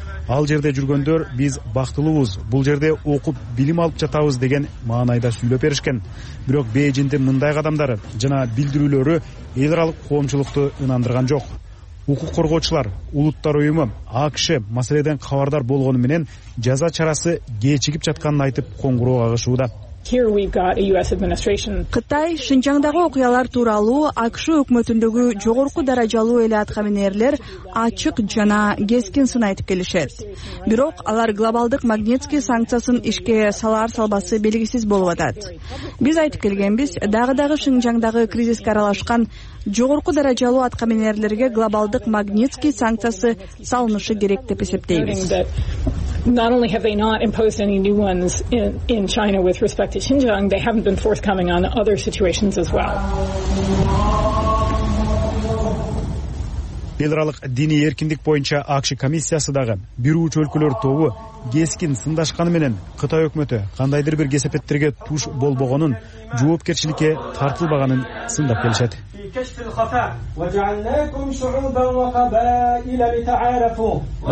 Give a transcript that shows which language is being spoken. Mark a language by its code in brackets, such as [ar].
[ky] Ал жерде жүргөндөр биз бактылуубуз, бул жерде окуп билим алып жатабыз деген маанайда сүйлөп беришкен. Бирок Бээжиндин мындай кадамдары жана билдирүүлөрү эл аралык коомчулукту ынандырган жок. Укук коргоочулар, Улуттар уюму, АКШ маселеден кабардар болгону менен жаза чарасы кечигип жатканын айтып коңгуроо кагышууда. [en] Here we've got a US administration. [ky] Кытай Шинжаңдагы окуялар тууралуу АКШ өкмөтүндөгү жогорку даражалуу эле аткаминерлер ачык жана кескин сын айтып келишет. Бирок алар глобалдык Магнитский санкциясын ишке салар салбасы белгисиз болуп атат. Биз айтып келгенбиз, дагы Шинжаңдагы кризиске аралашкан жогорку даражалуу аткаминерлерге глобалдык Магнитский санкциясы салынышы керек деп эсептейбиз. [en] Not only have they not imposed any new ones in China with respect to Xinjiang, they haven't been forthcoming on other situations as well. [ky] Эл аралык диний эркиндик боюнча АКШ комиссиясы дагы бир ууч өлкөлөр тобу кескин сындашканы менен Кытай өкмөтү кандайдыр бир кесепеттерге туш болбогонун, жоопкерчиликке тартылбаганын сындап келишет. [ar] Ва жаалнакум шуубан ва кабаила литаарафу.